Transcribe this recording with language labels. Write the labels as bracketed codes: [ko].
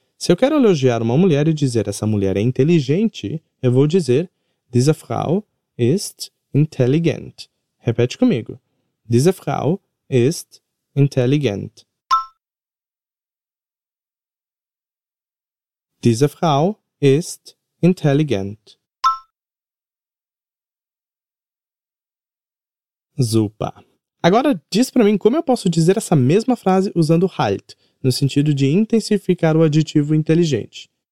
[pt] Se eu quero elogiar uma mulher e dizer essa mulher é inteligente, eu vou dizer [de] diese Frau ist intelligent. [pt] Repete comigo. [de] Diese Frau ist intelligent. Diese Frau ist intelligent. [pt] Super. Agora, diz para mim como eu posso dizer essa mesma frase usando halt, no sentido de intensificar o adjetivo inteligente.